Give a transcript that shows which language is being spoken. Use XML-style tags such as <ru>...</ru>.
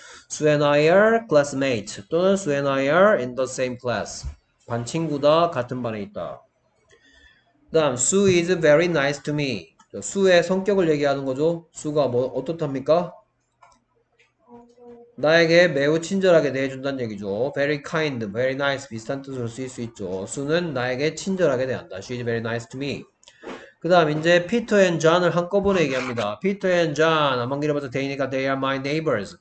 <en>Sue and I are classmates</en> <ko>또는</ko> <en>Sue and I are in the same class.</en> <ko>반 친구다, 같은 반에 있다. 그다음</ko> <en>Sue is very nice to me.</en> <ko>Sue의 성격을 얘기하는 거죠. Sue가 뭐 어떻답니까? 나에게 매우 친절하게 대해준다는 얘기죠.</ko> <en>Very kind, very nice</en> <ko>비슷한 뜻으로 쓰일 수 있죠. 수는 나에게 친절하게 대한다.</ko> <en>She is very nice to me.</en> <ko>그 다음 이제 Peter and John을 한꺼번에 얘기합니다.</ko> <en>Peter and John, among</en> <ko>이름부터 대이니까</ko> <en>they are my neighbors.</en>